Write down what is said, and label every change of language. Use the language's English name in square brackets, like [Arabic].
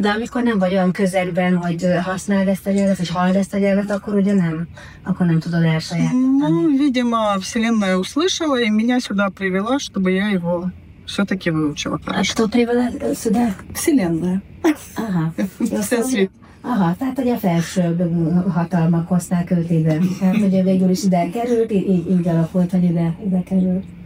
[Hungarian] De amikor nem vagy olyan közelben, hogy használd ezt a gyelvet, vagy halld ezt a gyelvet, akkor ugye nem. Akkor nem tudod elsajátítani. [Russian] Видимо, Вселенная услышала, и меня сюда привела, чтобы я его все-таки выучила. А кто привела сюда? Вселенная. Ага. [Hungarian] Aha, tehát ugye a felsőbb hatalmak hozták őt ide. Tehát ugye végül is ide került, így alakult, hogy ide került.